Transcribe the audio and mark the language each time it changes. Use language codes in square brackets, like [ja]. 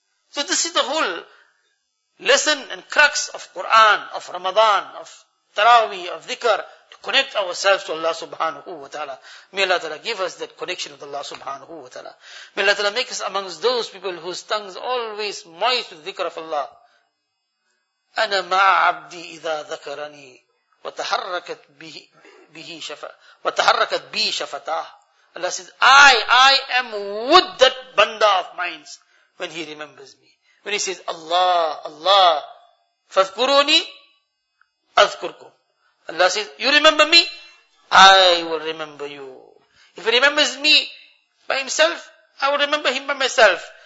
[en] So this is the whole lesson and crux of Quran, of Ramadan, of Taraweeh, of Dhikr, to connect ourselves to Allah subhanahu wa ta'ala. May Allah ta'ala give us that connection with Allah subhanahu wa ta'ala. May Allah ta'ala make us amongst those people whose tongues always moist with dhikr of Allah. [ar] أنا مع عبدي إذا ذكرني وتحركت به شفا وتحركت بي شفتاه. [en] Allah says, I am with that banda of mine when he remembers me. When he says, Allah, Allah, [ar] فاذكروني أذكركم. [en] Allah says, you remember me? I will remember you. If he remembers me by himself, I will remember him by myself.